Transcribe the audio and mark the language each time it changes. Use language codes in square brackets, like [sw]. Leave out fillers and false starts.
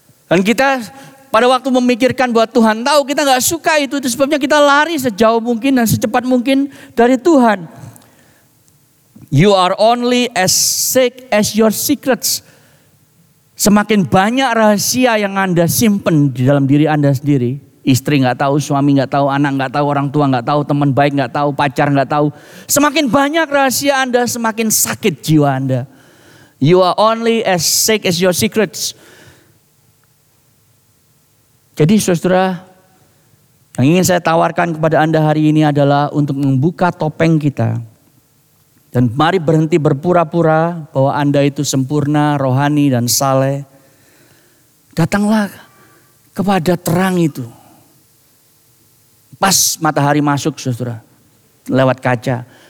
[id] Dan kita pada waktu memikirkan bahwa Tuhan tahu, kita gak suka itu sebabnya kita lari sejauh mungkin dan secepat mungkin dari Tuhan. [en] You are only as sick as your secrets. [id] Semakin banyak rahasia yang Anda simpen di dalam diri Anda sendiri, istri gak tahu, suami gak tahu, anak gak tahu, orang tua gak tahu, teman baik gak tahu, pacar gak tahu. Semakin banyak rahasia Anda, semakin sakit jiwa Anda. [en] You are only as sick as your secrets. [id] Jadi saudara, yang ingin saya tawarkan kepada Anda hari ini adalah untuk membuka topeng kita. Dan mari berhenti berpura-pura bahwa Anda itu sempurna, rohani, dan saleh. Datanglah kepada terang itu. Pas matahari masuk, saudara, lewat kaca.